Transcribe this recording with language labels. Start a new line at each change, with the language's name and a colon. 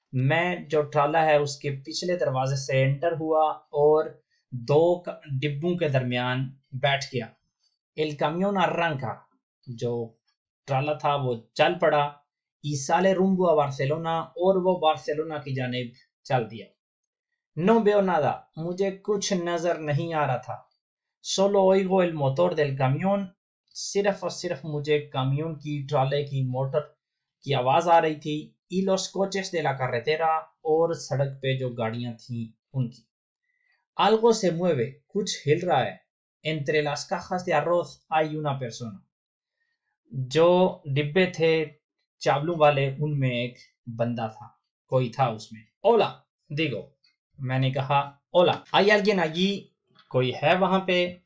Hindi: मैं जो ट्राला है उसके पिछले दरवाजे से एंटर हुआ और दो डिब्बों के दरमियान बैठ गया.
Spanish: El camión arranca.
Hindi: जो ट्राला था वो चल पड़ा.
Spanish: Y sale rumbo a Barcelona
Hindi: और वो बार्सिलोना की जानिब चल दिया.
Spanish: No veo nada.
Hindi: मुझे कुछ नजर नहीं आ रहा था.
Spanish: Solo oigo el motor del camión.
Hindi: सिर्फ और सिर्फ मुझे कामियों की ट्राले की मोटर की आवाज आ रही थी
Spanish: y los coches de la carretera
Hindi: और सड़क पे जो गाड़ियां थी उनकी
Spanish: algo se mueve
Hindi: कुछ हिल रहा है
Spanish: entre las cajas de arroz hay una persona
Hindi: जो डिब्बे थे चावलों वाले उनमें एक बंदा था कोई था उसमें
Spanish: hola digo
Hindi: मैंने कहा
Spanish: hola hay alguien allí
Hindi: कोई है वहां पे